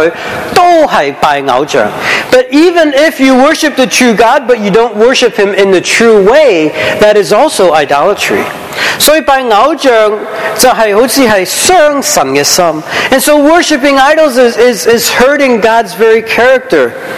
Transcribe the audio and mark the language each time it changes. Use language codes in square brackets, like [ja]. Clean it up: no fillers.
[zh] 甚至如果是拜真神,但是用一些神不允许的方式去敬拜祂,都是拜偶像. [en] But even if you worship the true God, but you don't worship Him in the true way, that is also idolatry. [zh] 所以拜偶像就是好像是伤神的心. [en] And so worshipping idols is hurting God's very character.